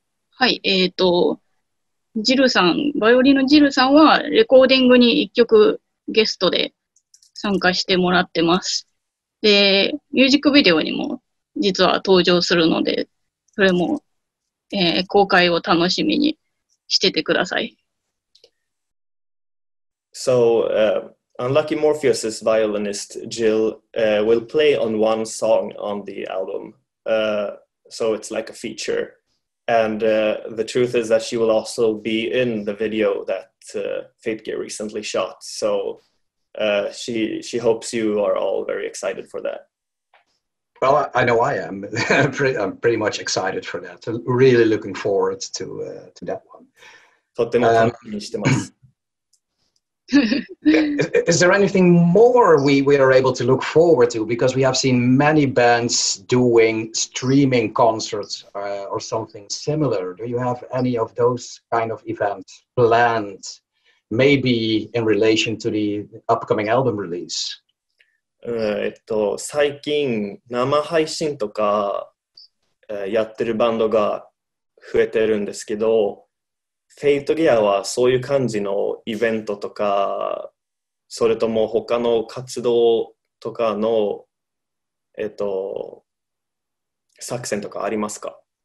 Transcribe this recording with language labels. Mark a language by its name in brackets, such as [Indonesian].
[Japanese] はい、ジルさん、バイオリンのジルさんはレコーディングに一曲ゲストで参加してもらってます。で、ミュージックビデオにも実は登場するので、それも、公開を楽しみにしててください。 [English] So, Unlucky Morpheus's violinist Jill will play on one song on the album, so it's like a feature. And the truth is that she will also be in the video that Fate Gear recently shot. So she hopes you are all very excited for that. Well, I know I am. I'm pretty much excited for that. Really looking forward to that one. [Japanese] とても楽しみにしてます。 [English] Is there anything more we are able to look forward to? Because we have seen many bands doing streaming concerts or something similar. Do you have any of those kind of events planned, maybe in relation to the upcoming album release? [Japanese] 最近生配信とか、やってるバンドが増えてるんですけど、フェイトギアはそういう感じのイベントとか、それとも他の活動とかの、作戦とかありますか？